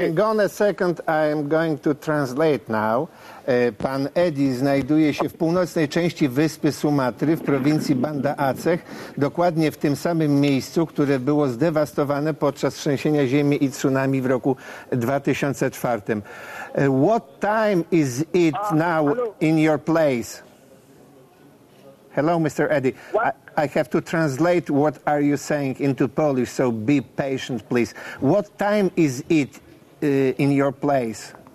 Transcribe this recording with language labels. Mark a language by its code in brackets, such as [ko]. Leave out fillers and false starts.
[en] Hang on a second, I'm going to translate now. [pl] Pan Eddie znajduje się w północnej części wyspy Sumatry w prowincji Banda Aceh, dokładnie w tym samym miejscu, które było zdewastowane podczas trzęsienia ziemi i tsunami w roku 2004. [en] What time is it now in your place? Hello, Mr. Eddie. I have to translate what are you saying into Polish, so be patient, please. What time is it in your place?